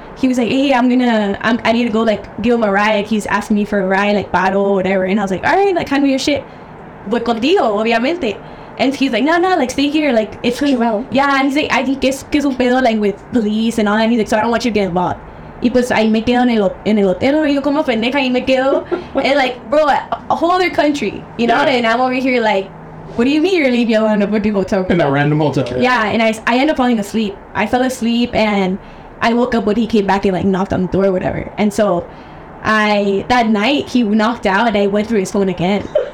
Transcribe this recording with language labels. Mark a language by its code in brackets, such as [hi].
[en] He was like, hey, I need to go, like, give him a ride. Like, he's asking me for a ride, like, bottle or whatever. And I was like, all right, like, kind of your shit. [es] Voy contigo, obviamente. [en] And he's like, no, like, stay here, like, it's really well. Yeah, and he's like, I think it's [es] un pedo, [en] like, with police and all that. And he's like, so I don't want you to get involved. [es] Y pues, ahí me quedo en el hotel, yo como pendeja, ahí me quedo. [en] And, like, bro, a whole other country, you know? Yeah. And I'm over here, like, what do you mean you're leaving me alone in a random hotel? In that random hotel. Yeah, and I end up falling asleep. I fell asleep, and I woke up when he came back and, like, knocked on the door or whatever. And so, that night, he knocked out, and I went through his phone again.